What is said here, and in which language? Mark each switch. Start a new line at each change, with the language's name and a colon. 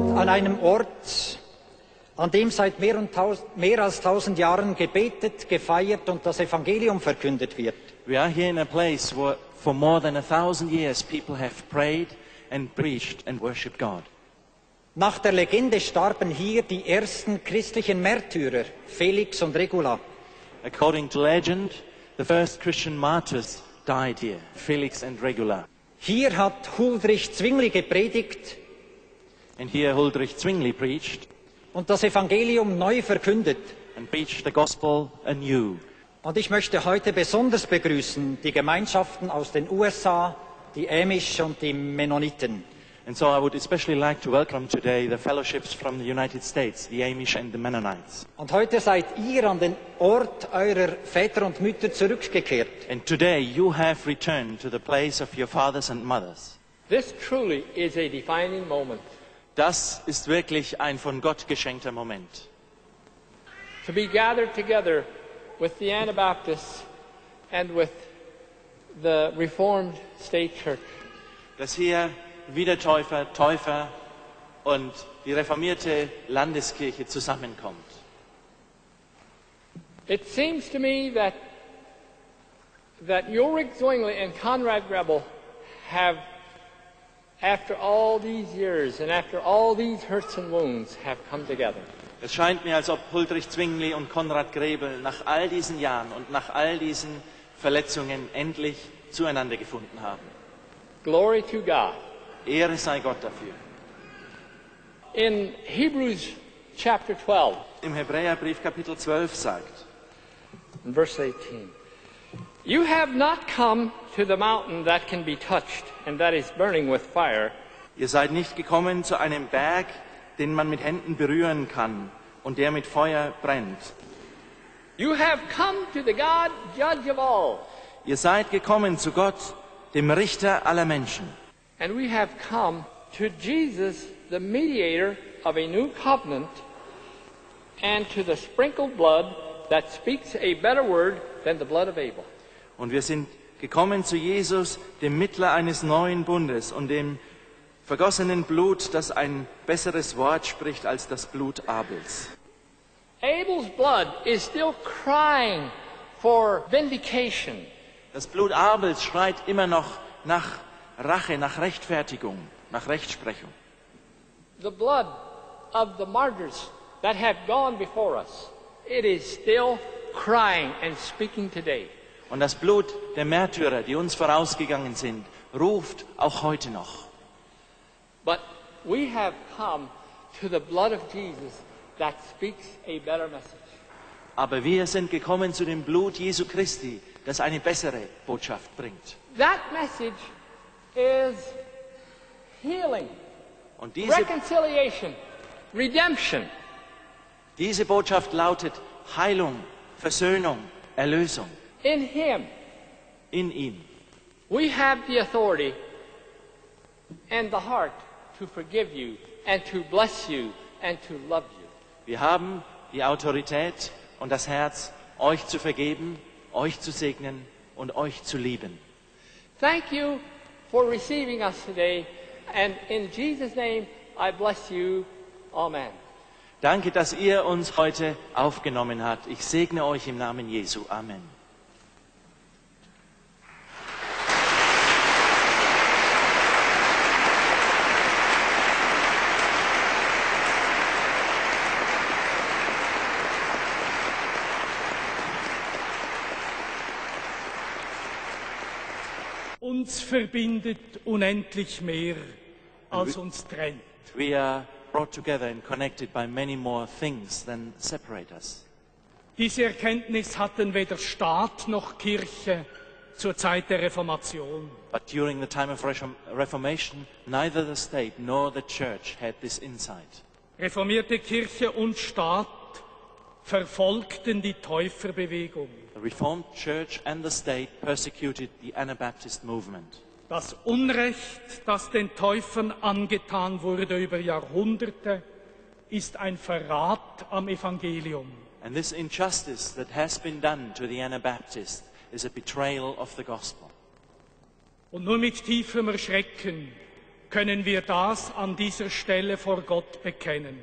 German: Einem Ort, an dem seit mehr als 1000 Jahren gebetet, gefeiert und das Evangelium verkündet wird.
English: We are here in a place where for more than 1000 years people have prayed and preached and worshiped God.
German: Nach der Legende starben hier die ersten christlichen Märtyrer, Felix und Regula.
English: According to legend, the first Christian martyrs died here, Felix and Regula.
German: Hier hat Huldrych Zwingli gepredigt.
English: And here Huldrych Zwingli preached
German: und das Evangelium neu verkündet
English: and preached the gospel anew.
German: Und ich möchte heute besonders begrüßen die Gemeinschaften aus den USA, die Amish und die Mennoniten.
English: And so I would especially like to welcome today the fellowships from the United States, the Amish and the Mennonites.
German: Und heute seid ihr an den Ort eurer Väter und Mütter zurückgekehrt.
English: And today you have returned to the place of your fathers and mothers. This truly is a defining moment.
German: Das ist wirklich ein von Gott geschenkter Moment.
English: To be gathered together with the Anabaptists and with the Reformed State Church.
German: Dass hier Wiedertäufer, Täufer und die reformierte Landeskirche zusammenkommt.
English: It seems to me that Ulrich Zwingli and Konrad Grebel have after all these years and after all these hurts and wounds have come together.
German: Es scheint mir, als ob Huldrych Zwingli und Konrad Grebel nach all diesen Jahren und nach all diesen Verletzungen endlich zueinander gefunden haben.
English: Glory to God.
German: Ehre sei Gott dafür.
English: In Hebrews chapter 12.
German: Im Hebräerbrief Kapitel 12 sagt.
English: In verse 18. You have not come to the mountain that can be touched and that is burning with fire.
German: Ihr seid nicht gekommen zu einem Berg, den man mit Händen berühren kann und der mit Feuer brennt.
English: You have come to the God, judge of all.
German: Ihr seid gekommen zu Gott, dem Richter aller Menschen.
English: And we have come to Jesus, the mediator of a new covenant and to the sprinkled blood that speaks a better word than the blood of Abel.
German: Und wir sind gekommen zu Jesus, dem Mittler eines neuen Bundes und dem vergossenen Blut, das ein besseres Wort spricht als das Blut Abels.
English: Abel's blood is still crying for vindication.
German: Das Blut Abels schreit immer noch nach Rache, nach Rechtfertigung, nach Rechtsprechung.
English: The blood of the martyrs that have gone before us, it is still crying and speaking today.
German: Und das Blut der Märtyrer, die uns vorausgegangen sind, ruft auch heute noch.
English: But we have come to the blood of Jesus that speaks a better message.
German: Aber wir sind gekommen zu dem Blut Jesu Christi, das eine bessere Botschaft bringt.
English: That message is healing.
German: Und diese
English: Reconciliation, redemption.
German: Diese Botschaft lautet Heilung, Versöhnung, Erlösung.
English: In him.
German: In ihm.
English: We have the authority and the heart to forgive you and to bless you and to love you.
German: Wir haben die Autorität und das Herz, euch zu vergeben, euch zu segnen und euch zu lieben.
English: Thank you for receiving us today, and in Jesus' name I bless you. Amen.
German: Danke, dass ihr uns heute aufgenommen habt. Ich segne euch im Namen Jesu. Amen. Uns verbindet unendlich mehr, als uns trennt.
English: We are brought together and connected by many more things than separate us.
German: Diese Erkenntnis hatten weder Staat noch Kirche zur Zeit der Reformation.
English: But during the time of Reformation, neither the state nor the church had this insight.
German: Reformierte Kirche und Staat verfolgten die Täuferbewegung.
English: The Reformed Church and the state persecuted the Anabaptist movement.
German: Das Unrecht, das den Täufern angetan wurde über Jahrhunderte, ist ein Verrat am Evangelium.
English: And this injustice that has been done to the Anabaptists is a betrayal of the gospel.
German: Und nur mit tiefem Erschrecken können wir das an dieser Stelle vor Gott bekennen.